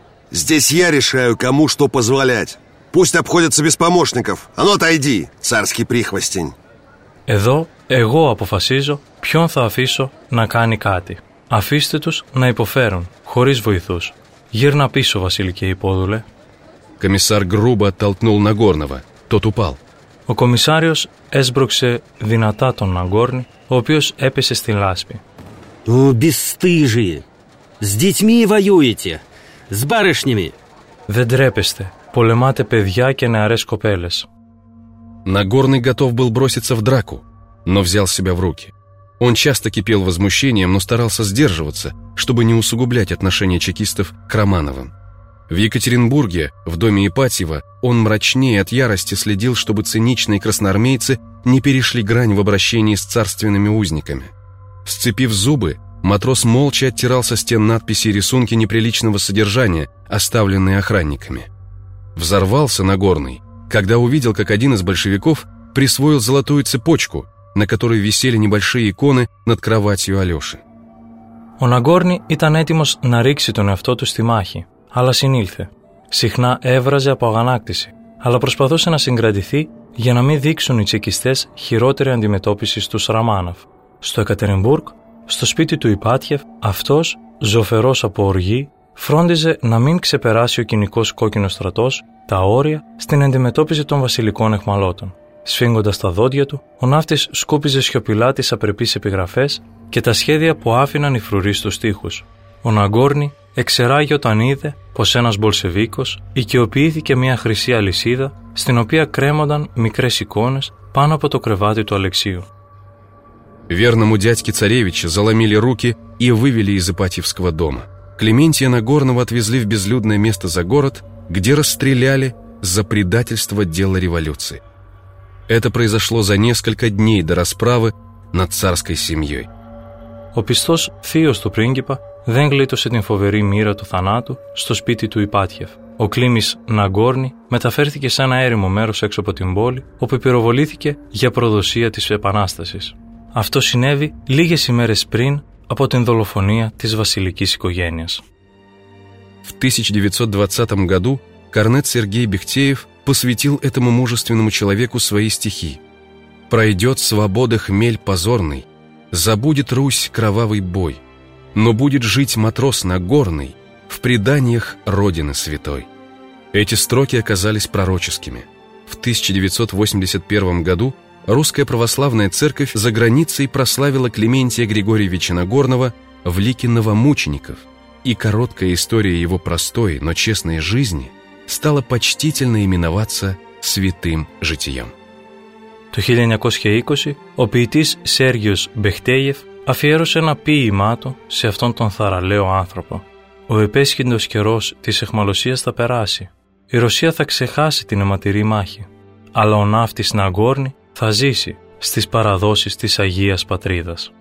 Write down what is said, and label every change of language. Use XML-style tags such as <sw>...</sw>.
<ru>Здесь я решаю, кому что позволять. Пусть обходятся без помощников. А ну отойди, царский прихвостень.</ru> <el>Εδώ εγώ αποφασίζω ποιον θα αφήσω να κάνει κάτι. Αφήστε τους να υποφέρουν, χωρίς βοηθούς. Γύρνα πίσω, βασιλική υπόδουλε.</el> <ru>Комиссар грубо оттолкнул Нагорного. Тот упал.</ru> <el>Ο κομισάριος έσπρωξε δυνατά τον Ναγκόρνη, ο οποίος έπεσε στην λάσπη.</el> <ru>Ο, бесстыжие! С детьми воюете! С барышнями!</ru> <el>Δεν τρέπεστε. Πολεμάτε παιδιά και νεαρές κοπέλες.</el> <ru>Нагорный готов был броситься в драку, но взял себя в руки. Он часто кипел возмущением, но старался сдерживаться, чтобы не усугублять отношения чекистов к Романовым. В Екатеринбурге, в доме Ипатьева, он мрачнее от ярости следил, чтобы циничные красноармейцы не перешли грань в обращении с царственными узниками. Сцепив зубы, матрос молча оттирал со стен надписи и рисунки неприличного содержания, оставленные охранниками. Взорвался Нагорный, когда увидел, как один из большевиков присвоил золотую цепочку, на которой висели небольшие иконы над кроватью Алёши.</ru> <el>Ο Ναγκόρνη ήταν έτοιμος να ρίξει τον εαυτό του στη μάχη, αλλά συνήλθε. Συχνά έβραζε από αγανάκτηση, αλλά προσπαθούσε να συγκρατηθεί για να μην δείξουν οι τσεκιστές χειρότερη αντιμετώπιση στους Ραμάνοφ. Στο Εκατερινμπούργκ, στο σπίτι του Ιπάτιεφ, αυτός, ζωφερός από οργή, φρόντιζε να μην ξεπεράσει ο κυνικός κόκκινος στρατός τα όρια στην αντιμετώπιση των βασιλικών εχμαλώτων. Σφίγγοντας τα δόντια του, ο ναύτης σκούπιζε σιωπηλά τις απρεπείς επιγραφές και τα σχέδια που άφηναν οι φρουροί στους τοίχους. Ο Ναγκόρνη εξεράγει όταν είδε πως ένας Μπολσεβίκος οικειοποιήθηκε μια χρυσή αλυσίδα στην οποία κρέμονταν μικρές εικόνες πάνω από το κρεβάτι του Αλεξίου.</el> <ru>Верному дядьке царевича заломили руки и вывели из Ипатьевского дома. Клементия Нагорного отвезли в безлюдное место за город, где расстреляли за предательство дела революции. Это произошло за несколько дней до расправы над царской семьей.</ru> <el>Ο πιστός θείος του πρίγκιπα δεν γλίτωσε την φοβερή μοίρα του θανάτου στο σπίτι του Ιπάτιεφ. Ο Κλίμης Ναγκόρνη μεταφέρθηκε σε ένα έρημο μέρος έξω από την πόλη, όπου πυροβολήθηκε για προδοσία της επανάστασης. Αυτό συνέβη λίγες ημέρες πριν από την δολοφονία της βασιλικής οικογένειας.</el> <ru>В 1920 году Корнет Сергей Бехтеев посвятил этому мужественному человеку свои стихи. «Пройдет свобода хмель позорный, забудет Русь кровавый бой, но будет жить матрос Нагорный в преданиях Родины Святой». Эти строки оказались пророческими. В 1981 году Русская Православная Церковь за границей прославила Климентия Григорьевича Нагорного в лике новомучеников, и короткая история его простой, но честной жизни стала почтительно именоваться святым житием.</ru> <el>Το 1920 ο ποιητής Σέργιος Μπεχτέιεφ αφιέρωσε ένα ποίημά του σε αυτόν τον θαραλέο άνθρωπο. «Ο επέσχυντος καιρός της αιχμαλωσίας θα περάσει. Η Ρωσία θα ξεχάσει την αιματηρή μάχη. Αλλά ο ναύτης Ναγκόρνη θα ζήσει στις παραδόσεις της Αγίας Πατρίδας».</el>